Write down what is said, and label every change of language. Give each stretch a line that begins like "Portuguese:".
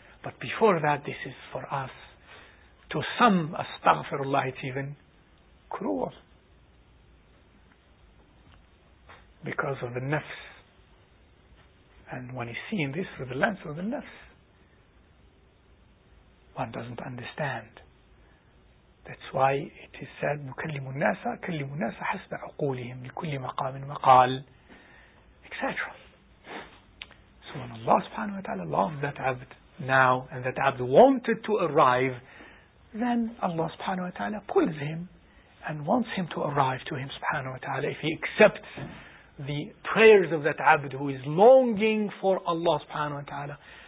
English: But before that, this is for us, to some, astaghfirullah, it's even cruel, because of the nafs. And when he's seeing this through the lens of the nafs, one doesn't understand. That's why it is said,
Arabic: مُكَلِّمُ النَّاسَ كَلِّمُ النَّاسَ حَسْبَ عُقُولِهِمْ لِكُلِّ مَقَامٍ مَقَالٍ etc.
English: So when Allah subhanahu wa ta'ala loved that abd now, and that abd wanted to arrive, then Allah subhanahu wa ta'ala pulls him and wants him to arrive to him subhanahu wa ta'ala if he accepts the prayers of that abd who is longing for Allah subhanahu wa ta'ala.